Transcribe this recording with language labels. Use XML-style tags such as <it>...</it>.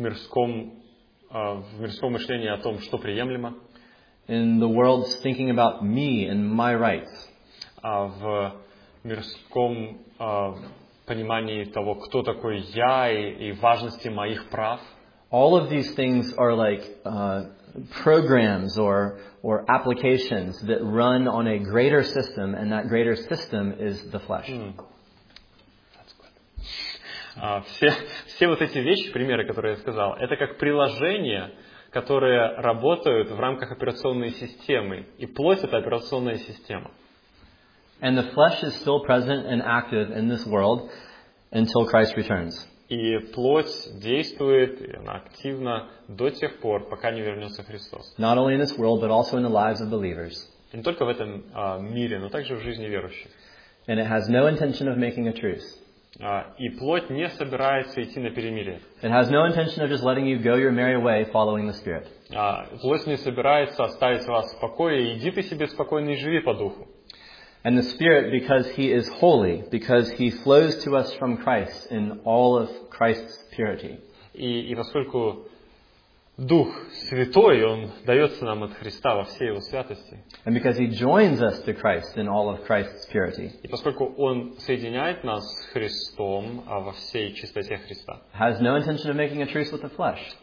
<ru>В мирском мышлении о том, что приемлемо.</ru> <en>In the world's thinking about me and my rights.</en> <ru>В мирском понимании того, кто такой я и важности моих прав.</ru> <en>All of these things are like programs or applications that run on a greater system, and that greater system is the flesh.</en> <ru>Все вот эти вещи, примеры, которые я сказал, это как приложения, которые работают в рамках операционной системы, и плоть — это операционная система.</ru> <en>And the flesh is still present and active in this world until Christ returns.</en> <ru>И плоть действует, она активна до тех пор, пока не вернется Христос.</ru> <en>Not only in this world, but also in the lives of believers.</en> <ru>И не только в этом мире, но также в жизни верующих.</ru> <en>And it has no intention of making a truce.</en> <ru>И плоть не собирается идти на перемирие.</ru> <en>It has no intention of just letting you go your merry way following the Spirit.</en> <ru>Плоть не собирается оставить вас в покое, иди ты себе спокойно и живи по духу.</ru> <en>And the Spirit, because He is holy, because He flows to us from Christ in all of Christ's purity.</en> <ru>И поскольку Дух Святой, Он дается нам от Христа во всей Его святости.</ru> <en>And because He joins us to Christ in all of Christ's purity.</en> <ru>И поскольку Он соединяет нас с Христом во всей чистоте Христа.</ru> <en>Has no intention of making a truce with the flesh.</en>